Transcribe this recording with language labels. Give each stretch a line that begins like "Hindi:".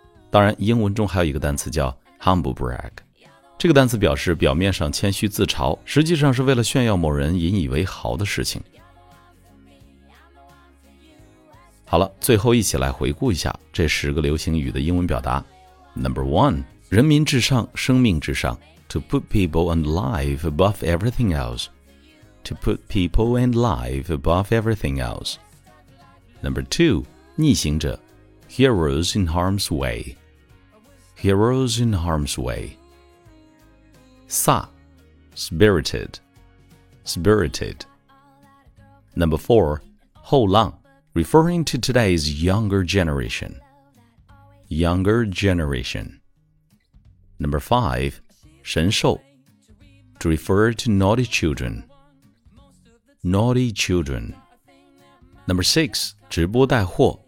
Chinese: 当然英文中还有一个单词叫 humble brag， 这个单词表示表面上谦虚自嘲，实际上是为了炫耀某人引以为豪的事情。好了，最后一起来回顾一下这十个流行语的英文表达。
English: Number 1，
Chinese: 人民至上，生命至上。
English: To put people and life above everything else. To put people and life above everything else. Number 2，
Chinese: 逆行者。
English: Heroes in harm's way. Heroes in harm's way.
Chinese: 飒，
English: Spirited. Number 4，
Chinese: 后浪。
English: Referring to today's younger generation. Younger generation. Number 5,
Chinese: 神兽.
English: To refer to naughty children. Naughty children. Number 6,
Chinese: 直播带货.